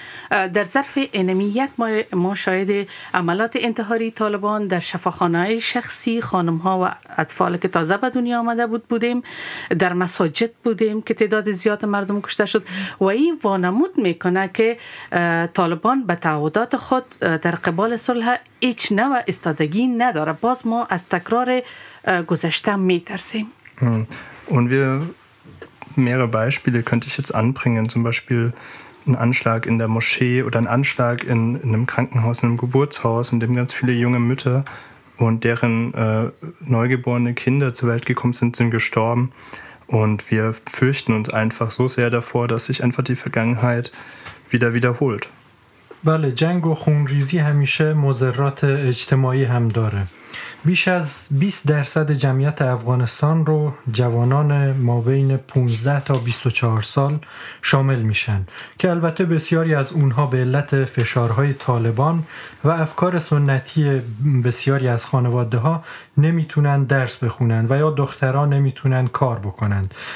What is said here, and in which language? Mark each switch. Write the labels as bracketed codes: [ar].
[fa] در ظرف اینمی یک ماه ما شاهد عملات انتحاری طالبان در شفاخانه های شخصی خانم ها و اطفال که تازه به دنیا آمده بود بودیم در مساجد بودیم که تعداد زیاد مردم کشته شد و این وانمود میکنه که طالبان به تعهدات خود در قبال صلح هیچ نوع استادگی نداره باز ما از تکرار گذشته میترسیم [de] Und wir mehrere Beispiele könnte ich jetzt anbringen zum Beispiel Ein Anschlag in der Moschee oder ein Anschlag in einem Krankenhaus, in einem Geburtshaus, in dem ganz viele junge Mütter und deren neugeborene Kinder zur Welt gekommen sind, sind gestorben. Und wir fürchten uns einfach so sehr davor, dass sich einfach die Vergangenheit wieder wiederholt. [fa] بله جنگ و خونریزی همیشه مضرات اجتماعی هم داره. بیش از 20% جمعیت افغانستان رو جوانان ما بین 15 تا 24 سال شامل میشن که البته بسیاری از اونها به علت فشارهای طالبان و افکار سنتی بسیاری از خانواده ها نمیتونن درس بخونن و یا دختران نمیتونن کار بکنند.